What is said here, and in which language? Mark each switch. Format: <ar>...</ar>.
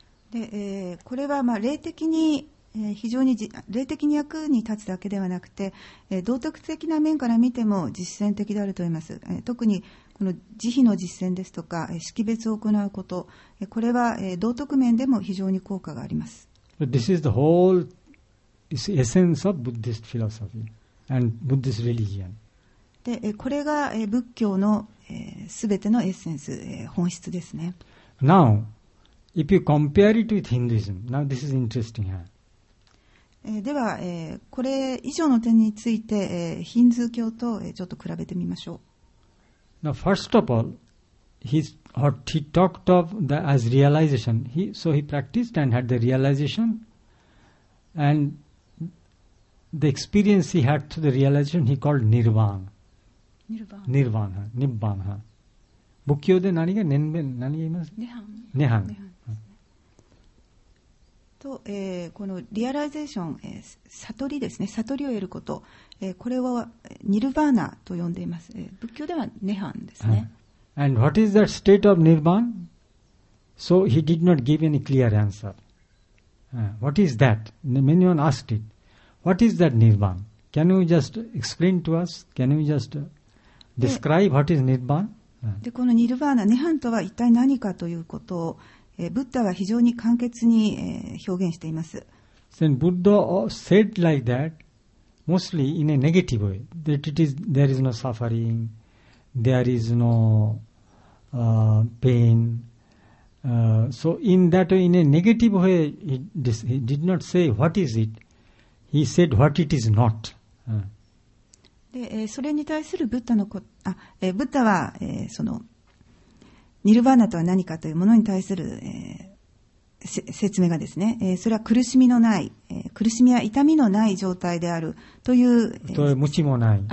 <ja>で、これはまあ霊的に、非常に霊的に役に立つだけではなくて、道徳的な面から見ても実践的であると言います。特にこの慈悲の実践ですとか、識別を行うこと、これは、道徳面でも非常に効果があります。</ja> <en>This is the whole essence of Buddhist philosophy and Buddhist religion.</en> <ja>で、これが、仏教の、全てのエッセンス、本質ですね。</ja> <en>NowIf you compare it with Hinduism, now this is interesting.</en> <ja>では、これ以上の点について、ヒンズー教と、ちょっと比べてみましょう。</ja> <en>Now, first of all, he talked of the as realization. He practiced and had the realization, and the experience he had through the realization he called Nirvana. Nirvana.</en> <ja>Nibbana. Bukkyo de nani ga nenben, nani imasu? Nihan. と、このリアライゼーション、悟りですね、悟りを得ること、これをニルバーナと呼んでいます。仏教ではネハンですね。</ja> <en>And what is that state of nirvana? So he did not give any clear answer. What is that? Many one asked it. What is that nirvana? Can you just explain to us? Can you just describe what is nirvana?</en> <ja>で、このニルバーナ、ネハンとは一体何かということをブッダは非常に簡潔に表現しています。</ja> <en>Then Buddha said like that mostly in a negative way that it is, there is no suffering, there is no pain. So in that way, in a negative way, he did not say what is it, he said what it is not.</en> <ja>で、それに対するブッダのこ、あ、ブッダは、そのニルバーナとは何かというものに対する、説明がですね、それは苦しみのない、苦しみや痛みのない状態であるという、無知もない、</ja>